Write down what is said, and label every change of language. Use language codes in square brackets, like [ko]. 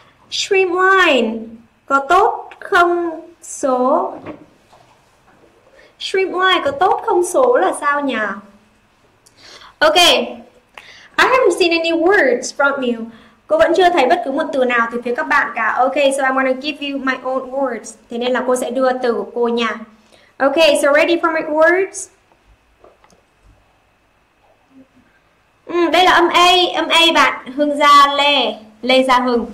[vi] Streamline có tốt không số? Streamline có tốt không số là sao nhỉ? [en] Ok, I haven't seen any words from you. [vi] Cô vẫn chưa thấy bất cứ một từ nào từ phía các bạn cả. [en] Ok, so I'm gonna give you my own words. [vi] Thế nên là cô sẽ đưa từ của cô nha. [en] Okay, so ready for my words? [vi] Đây là âm A bạn, Hưng Gia Lê, Lê Gia Hưng.